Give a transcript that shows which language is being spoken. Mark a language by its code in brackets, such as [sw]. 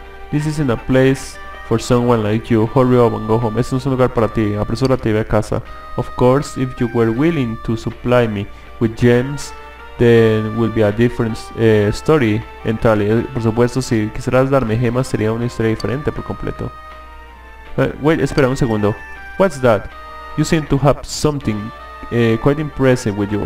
[en] This isn't a place for someone like you. Hurry up and go home. [es] Este no es un lugar para ti. Apresúrate y ve a casa. [en] Of course, if you were willing to supply me with gems, then will be a different story entirely. [es] Por supuesto, si quisieras darme gemas, sería una historia diferente por completo. [en] Wait, [es] espera un segundo. [en] What's that? You seem to have something quite impressive with you.